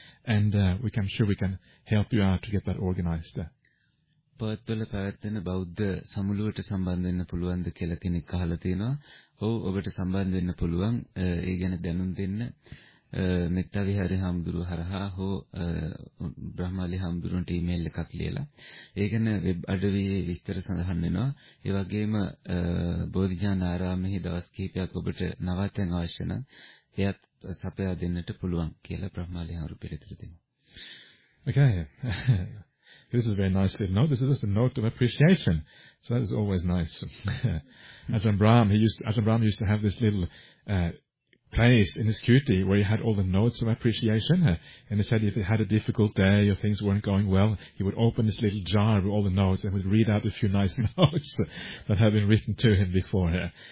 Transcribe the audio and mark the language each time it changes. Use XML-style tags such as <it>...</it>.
<en>I'm sure we can help you out to get that organized.</en> <si>පර්ත්වල පැවැත්වෙන බෞද්ධ සමුළුවට සම්බන්ධ වෙන්න පුළුවන්ද කියලා කෙනෙක් අහලා තිනවා. ඔව් ඔබට සම්බන්ධ වෙන්න පුළුවන්. ඒ ගැන දැනුම් දෙන්න මෙත්තා විහාරේ හම්දුරු හරහා හෝ බ්‍රහ්මාලි හම්දුරුන්ට ඊමේල් එකක් ලියලා. ඒ ගැන වෙබ් අඩවියේ විස්තර සඳහන් වෙනවා. ඒ වගේම බෝධිඥාන ආරාමයේ දවස් කිහිපයක් ඔබට නවත්වන්න අවශ්‍ය නම් එයත් සපයා දෙන්නට පුළුවන් කියලා බ්‍රහ්මාලි හරු පිළිතුරු දෙනවා. Okay.</si> <en>This is very nicely note. This is just a note of appreciation. So that is always nice. Ajahn Brahm used to have this little place in his kuti where he had all the notes of appreciation. And he said if he had a difficult day or things weren't going well, he would open this little jar with all the notes and would read out a few nice notes that had been written to him before.</en>